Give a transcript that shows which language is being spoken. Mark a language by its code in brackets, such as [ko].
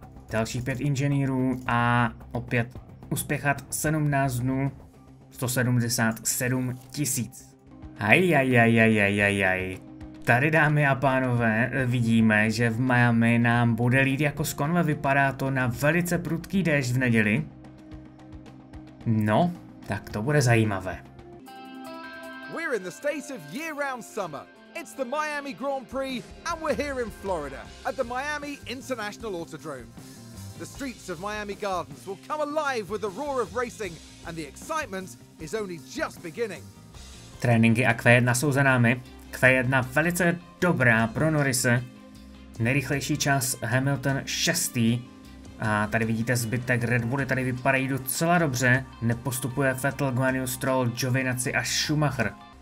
[cs] Dalších 5 inženýrů a opět uspěchat 17 dnů 177 tisíc. Aj. Tady, dámy a pánové, vidíme, že v Miami nám bude lít jako z konve. Vypadá to na velice prudký déšť v neděli. No, tak to bude zajímavé. [en] We're in the state of year-round summer. It's the Miami Grand Prix and we're here in Florida at the Miami International Autodrome. The streets of Miami Gardens will come alive with the roar of racing and the excitement is only just beginning. [cs] Tréninky a Q1 jsou za námi. Q1 velice dobrá pro Norrise. Nejrychlejší čas Hamilton 6. A tady vidíte zbytek Red Bulli, tady vypadají docela dobře. Nepostupuje Vettel, Guanyu, Stroll, Giovinazzi a Schumacher.